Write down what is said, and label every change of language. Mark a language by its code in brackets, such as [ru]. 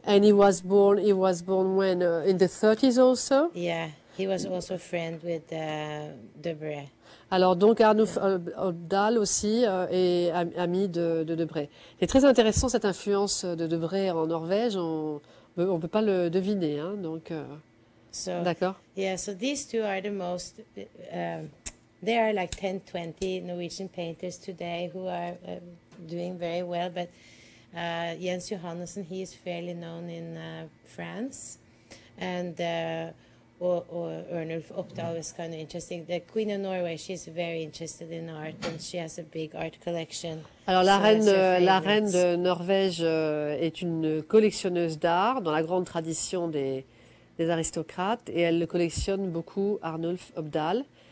[en] And he was born when in the 30s also? Yeah, he was also friend with Debray. [fr] Alors donc Arnulf Obdal aussi est ami de Debray. C'est très intéressant cette influence de Debray en Norvège, on peut pas le deviner hein. Donc d'accord. [en] Yeah, so these two are the most there are like 10 20 Norwegian painters today who are doing very well, but Jens Johannessen, he is fairly known in France, and or Ernulf Opdahl is kind of interesting. The Queen of Norway, she's very interested in art and she has a big art collection. [fr] Alors la reine de Norvège est une collectionneuse d'art dans la grande tradition des aristocrates et elle collectionne beaucoup Arnulf Obdahl.